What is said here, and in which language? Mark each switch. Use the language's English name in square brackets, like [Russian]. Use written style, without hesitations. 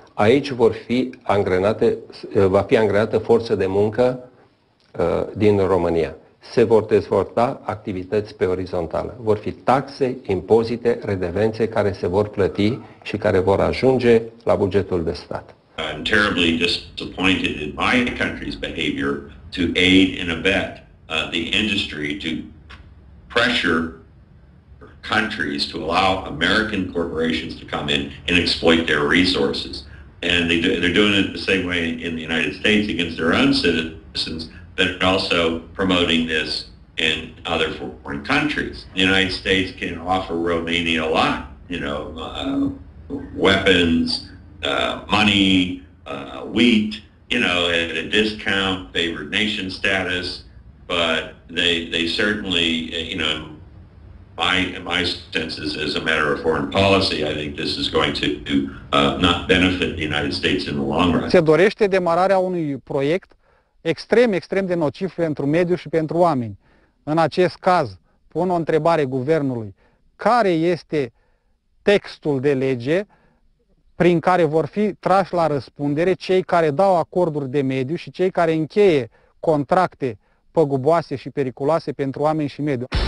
[Romanian] Aici vor fi angrenate, va fi angrenată forță de muncă din România. Se vor dezvolta activități pe orizontală. Vor fi taxe, impozite, redevențe care se vor plăti și care vor ajunge la bugetul de stat. [English] I'm terribly disappointed in my country's behavior to aid and abet the industry to pressure countries to allow American corporations to come in and exploit their resources. And they're doing it the same way in the United States against their own citizens, but also promoting this in other foreign countries. The United States can offer Romania a lot, you know, weapons, money, wheat, you know, at a discount, favored nation status, but they certainly, you know, my sense is as a matter of foreign policy, I think this is going to not benefit the United States in the long run. [Romanian] Se dorește demararea unui proiect extrem, extrem de nociv pentru mediu și pentru oameni. În acest caz, pun o întrebare guvernului. Care este textul de lege prin care vor fi trași la răspundere cei care dau acorduri de mediu și cei care încheie contracte păguboase și periculoase pentru oameni și mediu?